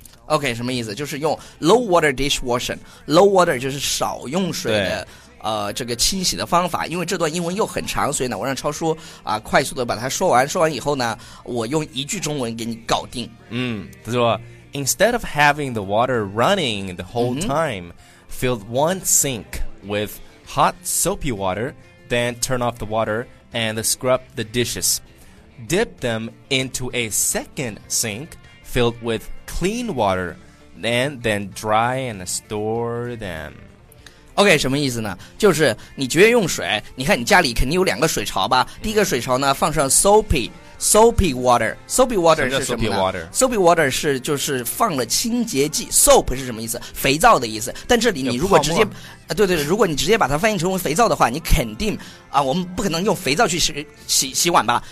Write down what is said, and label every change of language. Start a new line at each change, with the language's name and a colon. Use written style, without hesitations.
Chinese: OK， 什么意思？就是用
English: low water dishwashing， low water
Chinese: 就是少用水的这个清洗的方法。因为这段英文又很长，所以呢，我让超叔啊快速的把它说完。说完以后呢，我用一句中文给你搞定。嗯，他说
English: ，instead of having the water running the whole time、嗯。 Fill one sink with hot soapy water, then turn off the water and scrub the dishes. Dip them into a second sink filled with clean water, then dry and store them.
Chinese: OK, 什么意思呢？就是你节约用水，你看你家里肯定有两个水槽吧？第一个水槽呢，放上 soapy。
English: Soapy water, soapy water
Chinese: 是什么呢 ？Soapy water 是就是放了清洁剂。Soap 是什么意思？肥皂的意思。但这里你如果直接，对对，如果你直接把它翻译成为肥皂的话，你肯定啊，我们不可能用肥皂去洗碗吧？